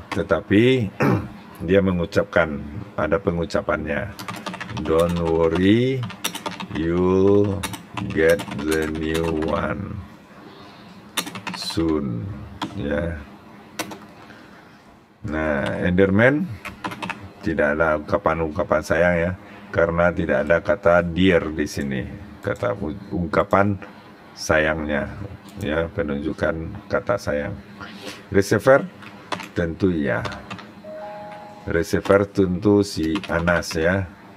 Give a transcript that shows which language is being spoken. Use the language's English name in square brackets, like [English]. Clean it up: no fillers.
[Indonesian] Tetapi dia mengucapkan, ada pengucapannya. [English] Don't worry, you'll get the new one soon, ya. [Indonesian] Nah, Enderman tidak ada ungkapan-ungkapan sayang, ya, karena tidak ada kata dear di sini, kata ungkapan sayangnya, ya, penunjukan kata sayang. Receiver tentu, ya. Receiver tentu si Anas, ya.